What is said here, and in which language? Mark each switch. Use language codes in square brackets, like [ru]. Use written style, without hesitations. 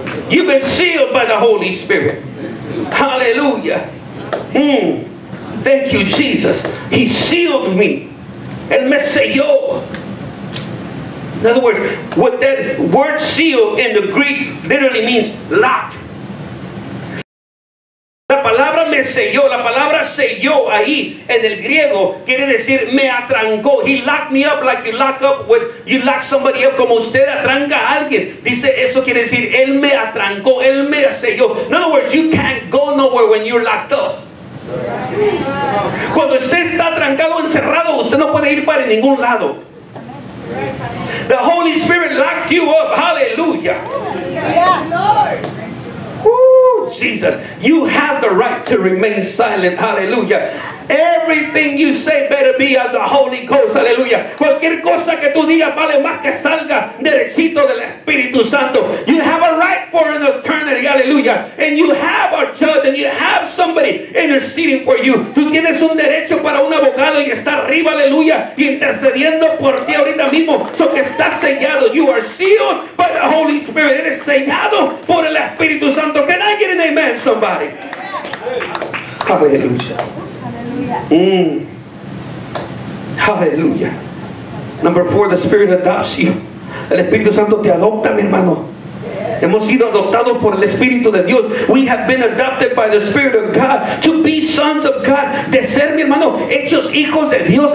[en] You've been sealed by the Holy Spirit. Hallelujah. Mm. Thank you, Jesus. He sealed me. [es] Él me selló. [en] In other words, what that word seal in the Greek literally means locked. [es] La palabra me selló, la palabra selló ahí en el griego quiere decir me atrancó. [en] He locked me up like you lock up with, you lock somebody up, [es] como usted atranca a alguien. Dice, eso quiere decir él me atrancó, él me selló. [en] In other words, you can't go nowhere when you're locked up. [es] Cuando usted está atrancado, encerrado, usted no puede ir para ningún lado. [en] The Holy Spirit locked you up. Hallelujah. Yeah, Lord. Jesus. You have the right to remain silent. Hallelujah. Everything you say better be of the Holy Ghost. Hallelujah. [es] Cualquier cosa que tú digas vale más que salga derechito del Espíritu Santo. [en] You have a right for an eternity. Hallelujah. And you have a judge and you have somebody interceding for you. [es] Tú tienes un derecho para un abogado y está arriba. Hallelujah. Y intercediendo por ti ahorita mismo. So que está sellado. [en] You are sealed by the Holy Spirit. [es] Eres sellado por el Espíritu Santo. [en] Can I get an amen, somebody? Hallelujah. Hallelujah. Number four, the Spirit adopts you. [es] El Espíritu Santo te adopta, mi hermano. Hemos sido adoptados por el Espíritu de Dios. [en] We have been adopted by the Spirit of God to be sons of God. [es] De ser, mi hermano, hechos hijos de Dios.